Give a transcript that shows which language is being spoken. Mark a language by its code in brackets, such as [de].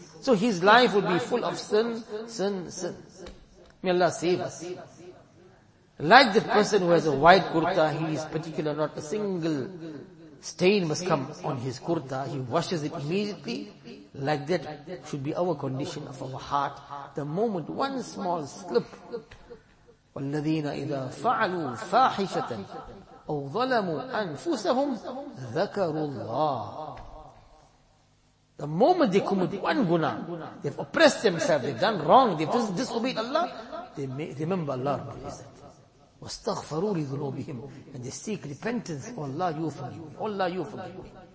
[en] So his life will be full of sin, sin, sin. May Allah save us. Like the person who has a white kurta, he is particular, not a single stain must come on his kurta. He washes it immediately. Like that should be our condition of our heart. The moment one small slip, [ar] وَالَّذِينَ إِذَا فَعَلُوا فَاحِشَةً أَوْ ظَلَمُوا أَنفُسَهُمْ ذَكَرُوا اللَّهِ. [en] The moment they commit one guna, they've oppressed themselves, they've done wrong, they've disobeyed Allah, they may remember Allah Rabbul Izzat. [ar] وَاسْتَغْفَرُوا لِذُنُوبِهِمْ. [en] And they seek repentance. Oh Allah, you forgive me. Oh Allah, you forgive me.